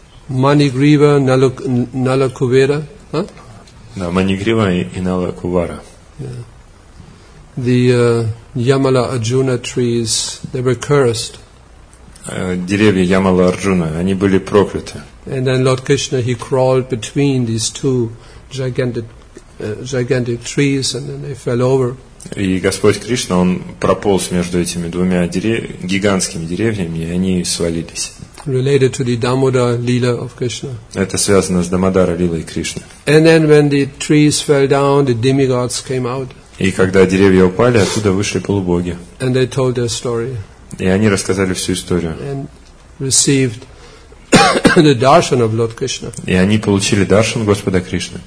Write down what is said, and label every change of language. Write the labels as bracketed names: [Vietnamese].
[Russian] Манигрива, Налакувера. Да, Манигрива и Налакувара. [English] The Yamala Arjuna trees, they were cursed. [Russian] Деревья Ямала Арджуна, они были прокляты. [English] And then Lord Krishna, he crawled between these two gigantic trees, and then they fell over. [Russian] И Господь Кришна, он прополз между этими двумя гигантскими деревьями, и они свалились. [English] Related to the Damodara Lila of Krishna. [Russian] Это связано с Дамодара Лилой Кришны. [English] And then when the trees fell down, the demigods came out. [Russian] И когда деревья упали, оттуда вышли полубоги. [English] And they told their story. [Russian] И они рассказали всю историю. [English] And received the darshan of Lord Krishna. [Russian] И они получили даршан Господа Кришны.